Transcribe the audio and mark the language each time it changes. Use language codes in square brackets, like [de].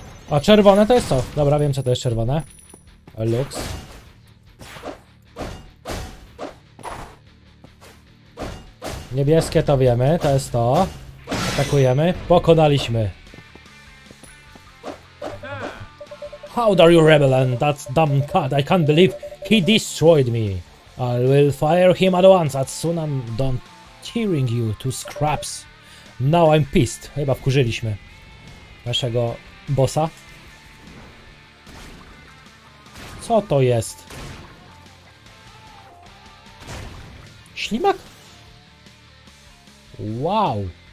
[pl] O, czerwone to jest co? Dobra, wiem co to jest czerwone. Lux. Niebieskie to wiemy, to jest to. Atakujemy, pokonaliśmy. [en] How dare you rebel and that damn god, I can't believe he destroyed me. I will fire him at once, as soon as I'm done tearing you to scraps. Now I'm pissed. [pl] Chyba wkurzyliśmy naszego bossa. Co to jest? Ślimak? Wow.